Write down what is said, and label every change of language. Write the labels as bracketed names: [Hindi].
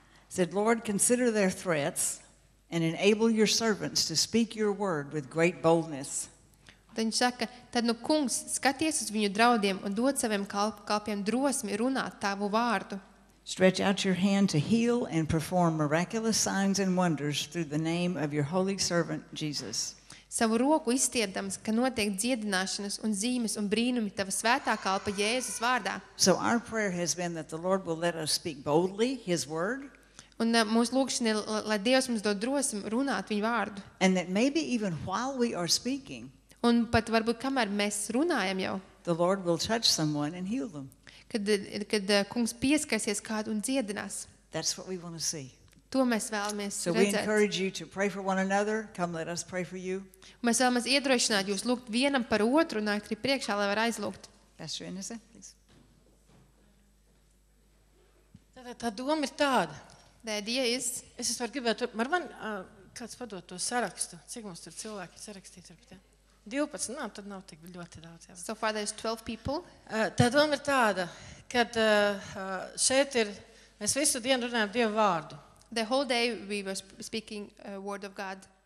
[English] Said, Lord, consider their threats and enable your servants to speak your word with great boldness. [Latvian] Tad viņš saka, tad nu kungs, skaties uz viņu draudiem un dod saviem kalpiem drosmi runāt tavu vārdu. [English] Stretch out your hand to heal and perform miraculous signs and wonders through the name of your holy servant Jesus. [Latvian] Savu roku izstiepdams, ka notiek dziedināšanas un zīmes un brīnumi tava svētā kalpa Jēzus vārdā. [English] So our prayer has been that the Lord will let us speak boldly his word. [Latvian] Un mūsu lūkšanai, lai Dievs mums dod drosmi runāt viņu vārdu. [English] And that maybe even while we are speaking. [Latvian] Un pat varbūt kamēr mēs runājam jau. [English] The Lord will touch someone and heal them. [Latvian] Kad kungs pieskarsies kādu un dziedinās. [English] That's what we want to see. [Latvian] To mēs vēlamies [English] so [Latvian] redzēt. [English] So we encourage you to pray for one another. Come let us pray for you. [Latvian] Un mēs vēlamies iedrošināt jūs lūgt vienam par otru un nākt arī priekšā, lai var aizlūgt. [English] Pastor Inese, please. [Latvian] Tā doma ir tāda. [English] The idea is... [Latvian] Es esmu var gribēt, var man kāds padot to sarakstu? Cik mums tur cilvēki ir sarakstīt? 12, nā, tad nav tik ļoti daudz. Jā. [English] So far there's 12 people. [Latvian] Tā doma ir tāda, kad šeit ir, mēs visu dienu runājam Dievu vārdu. [English] The whole day we were speaking word of God.